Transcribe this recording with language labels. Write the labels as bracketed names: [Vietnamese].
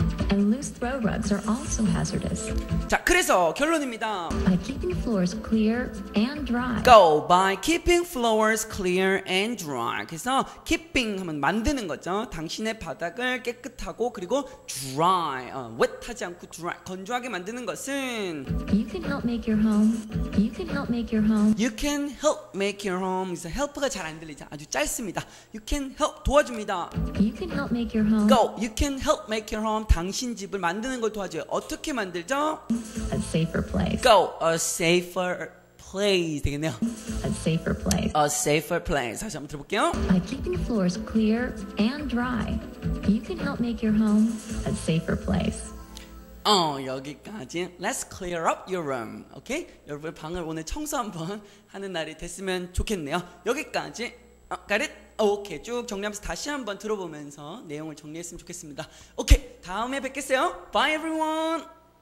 [English] and loose throw rugs are also hazardous. [Korean] 자, 그래서 결론입니다. [English] By keeping floors clear and dry. Go by keeping floors clear and dry. [Korean] 그래서 keeping 하면 만드는 거죠. 당신의 바닥을 깨끗하고 그리고 dry, wet하지 않고 dry, 건조하게 만드는 것은 [English] You can help make your home. You can help make your home. You can help make your home. [Korean] 그래서 help가 잘 안 들리죠. 아주 짧습니다. [English] You can help [Korean] 도와줍니다. [English] You can help make your home. Go. You can help make your home. [Korean] 당신 집을 만드는 걸 도와줘요. 어떻게 만들죠? [English] A safer place. Go. A safer place. [Korean] 되겠네요. [English] A safer place. A safer place. [Korean] 다시 한번 들어볼게요. [English] By keeping floors clear and dry, you can help make your home a safer place. [Korean] 여기까지. [English] Let's clear up your room. Okay? [Korean] 여러분 방을 오늘 청소 한번 하는 날이 됐으면 좋겠네요. 여기까지. [English] Got it? [Korean] 오케이. 쭉 정리하면서 다시 한번 들어보면서 내용을 정리했으면 좋겠습니다. 오케이. 다음에 뵙겠어요. [English] Bye everyone.